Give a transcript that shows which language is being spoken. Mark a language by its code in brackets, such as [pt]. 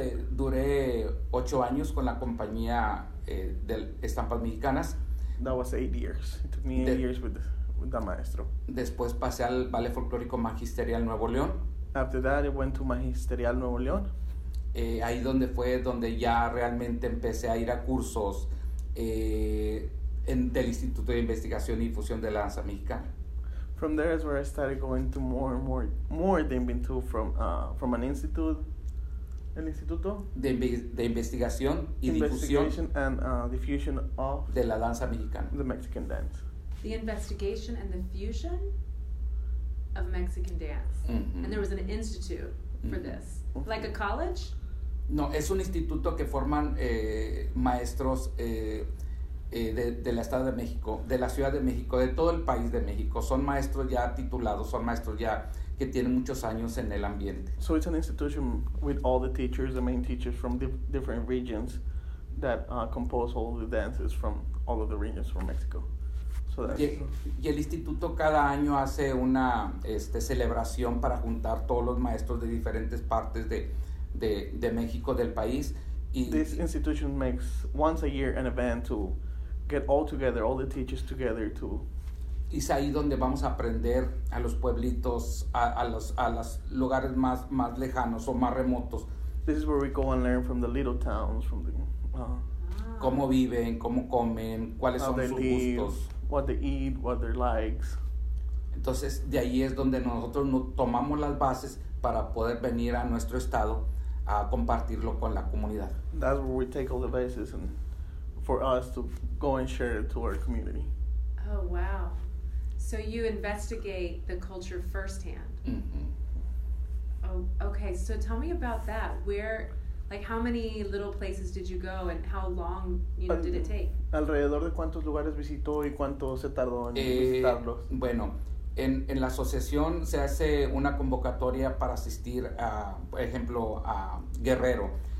[es] Duré 8 años con la compañía de Estampas Mexicanas. [en] That was 8 years. It took me eight years with the maestro. [es] Después pasé al Ballet Folclórico Magisterial Nuevo León. [en] After that, I went to Magisterial Nuevo León. [es] Ahí donde fue donde ya realmente empecé a ir a cursos del Instituto de Investigación y Difusión de la Danza Mexicana. [en] From there is where I started going to more than been to from an institute, [es] el instituto de investigación y difusión [en] and diffusion of [es] de la danza mexicana, [en] the Mexican dance. The investigation and the fusion of Mexican dance. Mm-hmm. And there was an institute for this, okay. Like a college. [es] No, es un instituto que forman maestros de la Estado de México, de la Ciudad de México, de todo el país de México. Son maestros ya titulados, son maestros ya que tienen muchos años en el ambiente. [en] So it's an institution with all the teachers, the main teachers from different regions that compose all the dances from all of the regions from Mexico. So that's, [es] y el instituto cada año hace una celebración para juntar todos los maestros de diferentes partes de México, del país. [en] This institution makes once a year an event to get all together, all the teachers together to. [es] Es ahí donde vamos a aprender a los pueblitos, a los lugares más lejanos o más remotos. [en] This is where we go and learn from the little towns, from the. [es] Cómo viven, cómo comen, cuáles son sus gustos. [en] What they eat, what their likes. [es] Entonces, de ahí es donde nosotros tomamos las bases para poder venir a nuestro estado a compartirlo con la comunidad. [en] That's where we take all the bases and for us to go and share it to our community. Oh, wow. So you investigate the culture firsthand. Mm-hmm. Oh, okay. So tell me about that. Where, like, how many little places did you go, and how long, you know, did it take? [es] Alrededor de cuántos lugares visitó y cuánto se tardó en visitarlos. Bueno. En la asociación se hace una convocatoria para asistir a, por ejemplo, a Guerrero.